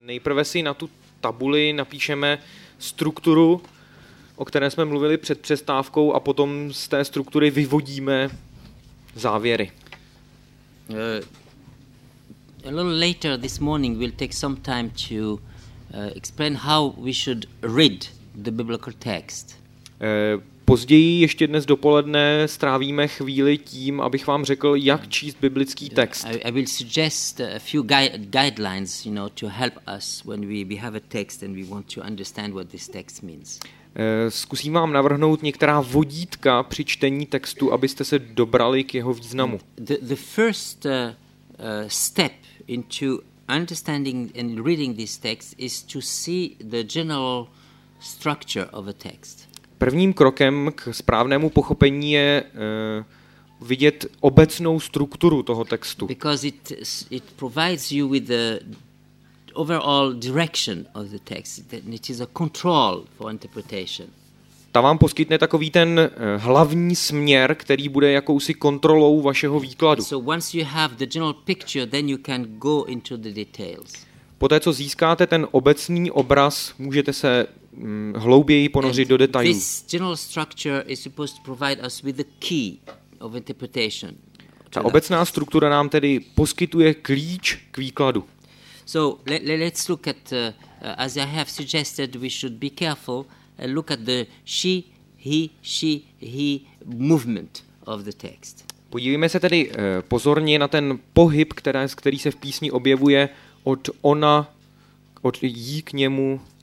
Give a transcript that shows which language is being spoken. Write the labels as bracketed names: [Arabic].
[Czech] Nejprve si na tu tabuli napíšeme strukturu, o které jsme mluvili před přestávkou, a potom z té struktury vyvodíme závěry. [English] A little later this morning we'll take some time to explain how we should read the biblical text. [Czech] Později ještě dnes dopoledne strávíme chvíli tím, abych vám řekl, jak číst biblický text. [English] I will suggest a few guidelines, you know, to help us when we have a text and we want to understand what this text means. [Czech] Zkusím vám navrhnout některá vodítka při čtení textu, abyste se dobrali k jeho významu. [English] The first step into understanding and reading this text is to see the general structure of a text. [Czech] Prvním krokem k správnému pochopení je vidět obecnou strukturu toho textu. [English] Because it provides you with the overall direction of the text, and it is a control for interpretation. [Czech] Ta vám poskytne takový ten hlavní směr, který bude jakousi kontrolou vašeho výkladu. [English] So once you have the general picture, then you can go into the details. [Czech] Poté, co získáte ten obecný obraz, můžete se hlouběji ponořit [English] and [Czech] do detailů. [English] This general structure is supposed to provide us with the key of interpretation. [Czech] Ta obecná struktura nám tedy poskytuje klíč k výkladu. [English] So let's look at as I have suggested, we should be careful and look at the she, he movement of the text. [Czech] Podívejme se tedy pozorně na ten pohyb, který se v písni objevuje od ona, od jí k němu.